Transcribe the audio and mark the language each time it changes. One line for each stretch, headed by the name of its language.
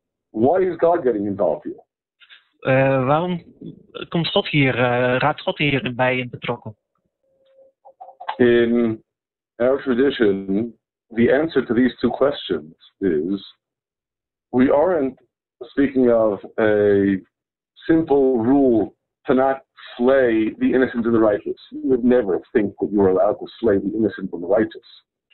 English: Why is God getting involved here?
Dutch: Waarom komt God hier, raadt God hier bij in betrokken?
English: In our tradition, the answer to these two questions is, we aren't speaking of a simple rule to not slay the innocent and the righteous. You would never think that you were allowed to slay the innocent and the righteous.